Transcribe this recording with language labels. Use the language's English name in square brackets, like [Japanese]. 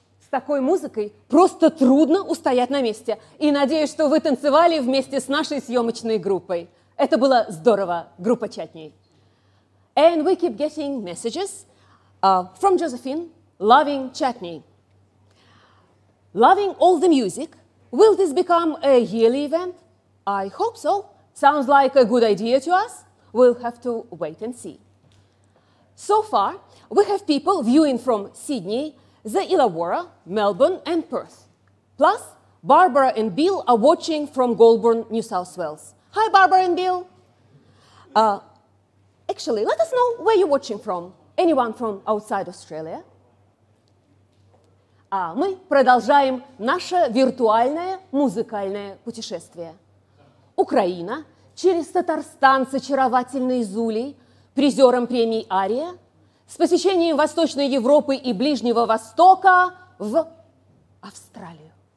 [Russian] такой музыкой просто трудно устоять на месте. И надеюсь, что вы танцевали вместе с нашей съемочной группой. Это было здорово, группа Чатни. [English] And we keep getting messages from Josephine, loving Chutney. Loving all the music. Will this become a yearly event? I hope so. Sounds like a good idea to us. We'll have to wait and see. So far, we have people viewing from Sydney, the Illawarra, Melbourne, and Perth. Plus, Barbara and Bill are watching from Goulburn, New South Wales. Hi, Barbara and Bill. Actually, let us know where you're watching from. Anyone from outside Australia? [Russian] А мы продолжаем наше виртуальное музыкальное путешествие. Украина через Татарстан с очаровательной Зулей, призером премии Ария, с посещением Восточной Европы и Ближнего Востока в Австралию.